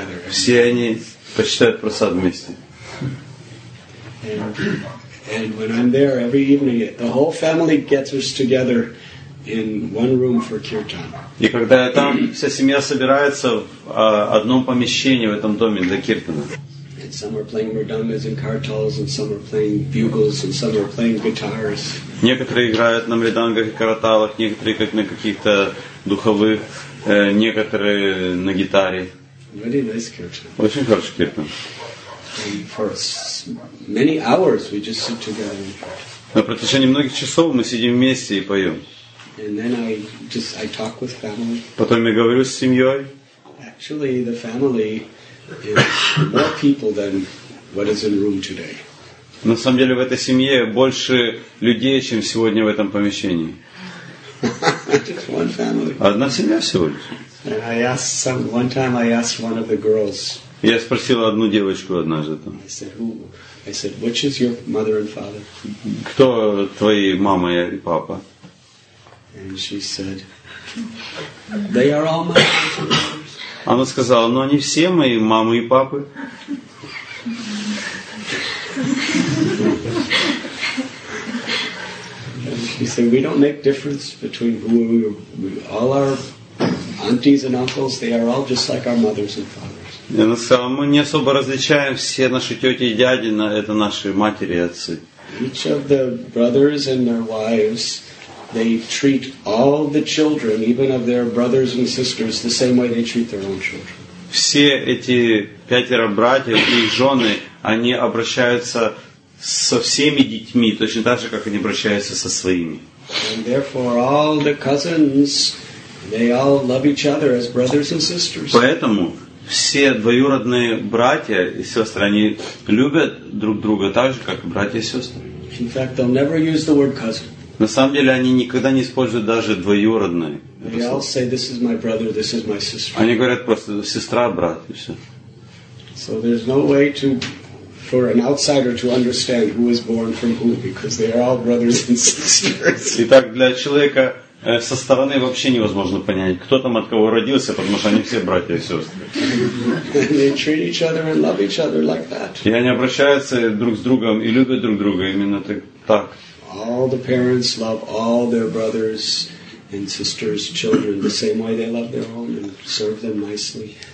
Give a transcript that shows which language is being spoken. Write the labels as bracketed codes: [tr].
[ru] Все они почитают просад вместе. [en] And when I'm there every evening, the whole family gathers together in one room for kirtan. [ru] И когда я там, вся семья собирается в одном помещении в этом доме для киртана. [en] And some are playing mridangas and kartals, and some are playing bugles, and some are playing guitars. [ru] Некоторые играют на мридангах и карталах, некоторые как на каких-то духовых, некоторые на гитаре. [en] Really nice kirtan. [ru] Очень хороший киртан. [en] For many hours we just sit together. [ru] На протяжении многих часов мы сидим вместе и поем. [en] And then I talk with family. [ru] Потом я говорю с семьей. [en] Actually, the family is more people than what is in room today. [ru] На самом деле в этой семье больше людей, чем сегодня в этом помещении. [en] Just one family. [ru] Одна семья всего лишь. [en] And I asked one time. I asked one of the girls. [ru] Я спросил одну девочку однажды там. [en] I said, which is your mother and father? [ru] Кто твои мама и папа? [en] And she said, they are all my mothers. [ru] Она сказала, ну они все мои мамы и папы. [en] She said, we don't make difference between who we all our aunties and uncles, they are all just like our mothers and fathers. [ru] Она сказала, мы не особо различаем все наши тети и дяди, это наши матери и отцы. [en] Each of the brothers and their wives, they treat all the children, even of their brothers and sisters, the same way they treat their own children. [ru] Все эти пятеро братьев и их жены, они обращаются со всеми детьми, точно так же, как они обращаются со своими. [en] And therefore all the cousins, they all love each other as brothers and sisters. [ru] Поэтому все двоюродные братья и сестры, они любят друг друга так же, как братья и сестры. [en] In fact, they'll never use the word cousin. [ru] На самом деле, они никогда не используют даже двоюродные. [en] They all say, this is my brother, this is my sister. [ru] Они говорят просто сестра, брат и все. [en] So there's no way to for an outsider to understand who is born from who, because they are all brothers and sisters. [ru] Итак, для человека со стороны вообще невозможно понять, кто там от кого родился, потому что они все братья и сестры. И они обращаются друг с другом и любят друг друга именно так. [en] all the parents love all their brothers and sisters, children, the same way they love their own and serve them nicely.